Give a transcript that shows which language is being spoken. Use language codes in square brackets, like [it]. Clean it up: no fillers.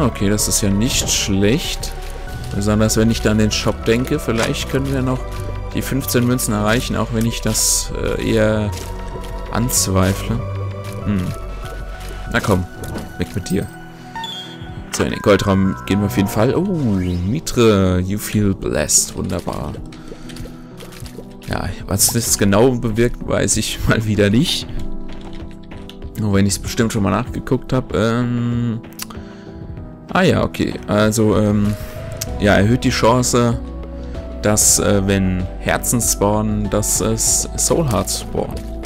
[de] Okay, das ist ja nicht schlecht. Besonders wenn ich dann an den Shop denke. Vielleicht können wir noch die 15 Münzen erreichen, auch wenn ich das eher anzweifle. Na komm, weg mit dir. So, in den Goldraum gehen wir auf jeden Fall. [en] Oh, Mitre, you feel blessed. [de] Wunderbar. Ja, was das genau bewirkt, weiß ich mal wieder nicht. Nur wenn ich es bestimmt schon mal nachgeguckt habe. Okay. Also, ja, erhöht die Chance, dass, wenn Herzen spawnen, dass es Soul Hearts spawnen.